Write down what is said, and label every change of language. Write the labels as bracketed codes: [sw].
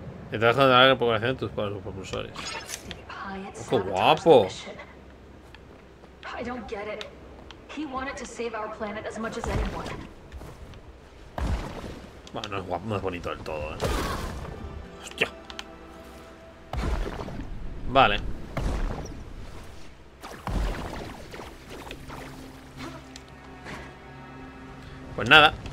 [es] Te trajo de la población de tus padres propulsores. ¡Qué guapo! [en] I don't get it. He wanted to save our planet as much as anyone. [es] Bueno, no es guapo, no es bonito del todo, ¿eh? Hostia. Vale. Pues nada.